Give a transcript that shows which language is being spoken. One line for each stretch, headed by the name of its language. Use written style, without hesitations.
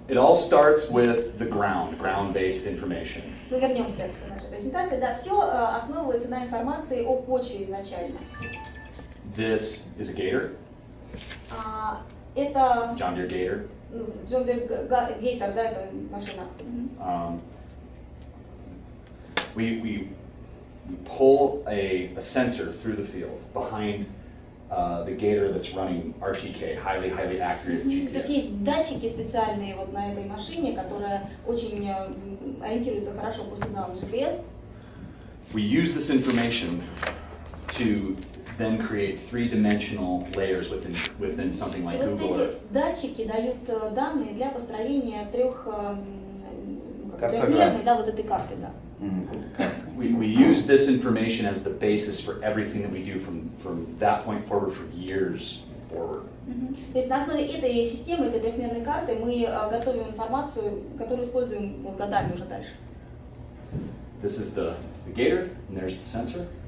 English: It all starts with the ground-based information.
Russian: Ну, вернемся к нашей презентации. Да, все основывается на информации о почве изначально.
English: This is a gator.
Russian: Это...
English: John Deere Gator.
Russian: John Deere Gator, да, это машина. Mm-hmm.
English: We pull a sensor through the field behind the gator that's running RTK, highly, highly accurate GPS.
Russian: То есть есть датчики специальные вот на этой машине, которая очень ориентируется хорошо по сигналам GPS.
English: We use this information to then create three-dimensional layers within something like Google.
Russian: Вот эти датчики дают данные для построения трёхмерной, да, вот этой карты, да.
English: We use this information as the basis for everything that we do from that point forward for years forward.
Russian: То есть на основе этой системы, этой трёхмерной карты, мы готовим информацию, которую используем годами уже дальше.
English: This is the gator, and there's the sensor.